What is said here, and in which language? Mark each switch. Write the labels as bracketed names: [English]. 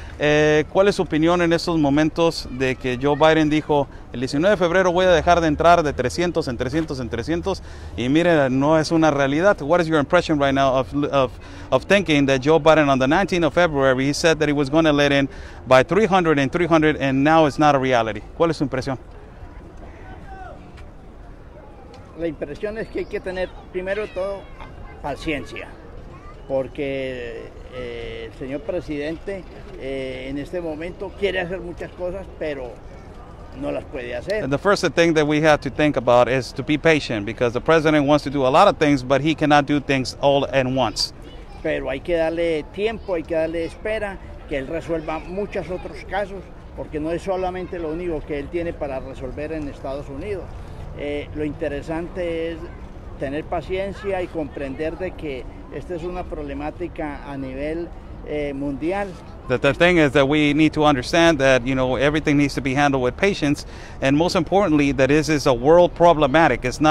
[Spanish] ¿Cuál es su opinión en estos momentos de que Joe Biden dijo, el 19 de febrero voy a dejar de entrar de 300 en 300 en 300, y mire, no es una realidad? [English] What is your impression right now of thinking that Joe Biden on the 19th of February, he said that he was going to let in by 300 and 300, and now it's not a reality? [Spanish] ¿Cuál es su impresión? La impresión es que hay que tener, primero todo, paciencia. porque el señor presidente en este momento quiere hacer muchas cosas, pero no las puede hacer. [English] And the first thing that we have to think about is to be patient, because the president wants to do a lot of things, but he cannot do things all at once. [Spanish] Pero hay que darle tiempo, hay que darle espera, que él resuelva muchos otros casos, porque no es solamente lo único que él tiene para resolver en Estados Unidos. Lo interesante es tener paciencia y comprender de que esta es una problemática a nivel mundial. [English] The thing is that we need to understand that, you know, everything needs to be handled with patience, and most importantly, that this is a world problematic.